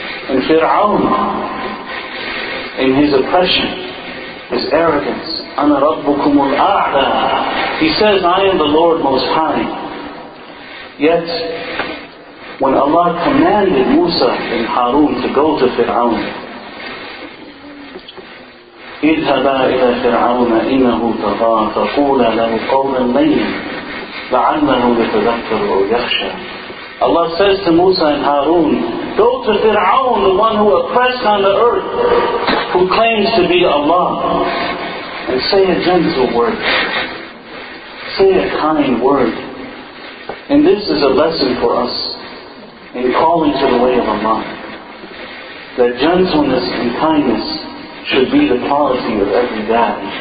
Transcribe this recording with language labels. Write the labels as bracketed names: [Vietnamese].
[English] And Fir'aun, in his oppression, his arrogance, [Arabic] أَنَا رَبُّكُمُ الْأَعْلَىٰ, [English] he says, I am the Lord Most High. Yet, when Allah commanded Musa and Harun to go to Fir'aun, [Arabic] اِذْهَبَا إِلَى فِرْعَوْنَ إِنَّهُ تَغَىٰ فَقُولَ لَهُ قَوْلًا لَيِّنًا لَعَلَّهُ يَتَذَكَّرُ أَوْ يَخْشَىٰ. [English] Allah says to Musa and Harun, go to Fir'aun, the one who oppressed on the earth, who claims to be Allah, and say a gentle word. Say a kind word. And this is a lesson for us in calling to the way of Allah, that gentleness and kindness should be the quality of every dad.